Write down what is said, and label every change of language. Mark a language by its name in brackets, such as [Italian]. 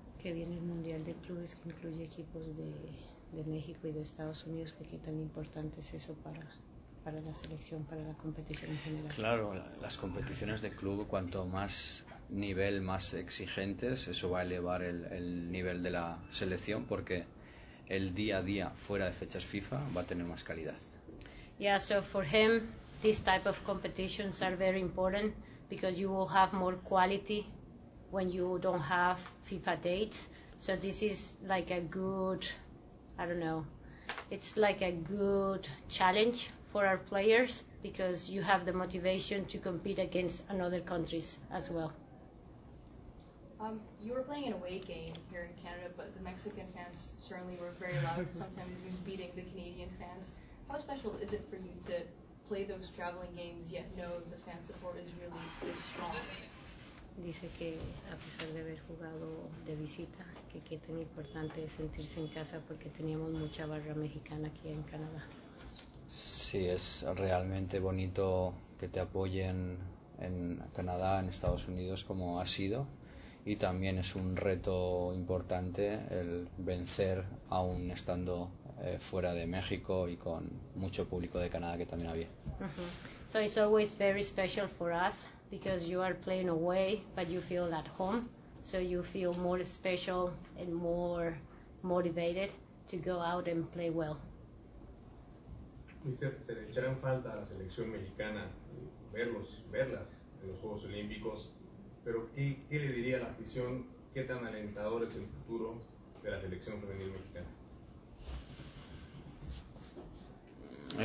[Spanish] Que viene el Mundial de Clubes que incluye equipos de México y de Estados Unidos, que qué tan importante es eso para la selección, para la competición en general. Claro, las competiciones de club, cuanto más nivel, más exigentes, eso va a elevar el nivel de la selección, porque el día a día fuera de fechas FIFA va a tener más calidad. [English] Yeah, so for him, these type of competitions are very important because you will have more quality when you don't have FIFA dates. So this is like a good, I don't know, it's like a good challenge for our players because you have the motivation to compete against other countries as well. You were playing an away game here in Canada, but the Mexican fans certainly were very loud, sometimes even beating the Canadian fans. How special is it for you to play those traveling games yet know the fan support is really this strong? [Spanish] Dice que a pesar de haber jugado de visita, que qué tan importante es sentirse en casa porque teníamos mucha barra mexicana aquí en Canadá. Sí, es realmente bonito que te apoyen en Canadá, en Estados Unidos, como ha sido. Y también es un reto importante el vencer aún estando fuera de México y con mucho público de Canadá que también había. [English] So it's always very special for us because you are playing away, but you feel at home. So you feel more special and more motivated to go out and play well. [Spanish] Mister, ¿se le echará en falta a la selección mexicana verlas en los Juegos Olímpicos? Pero ¿qué le diría a la afición? ¿Qué tan alentador es el futuro de la selección femenil mexicana?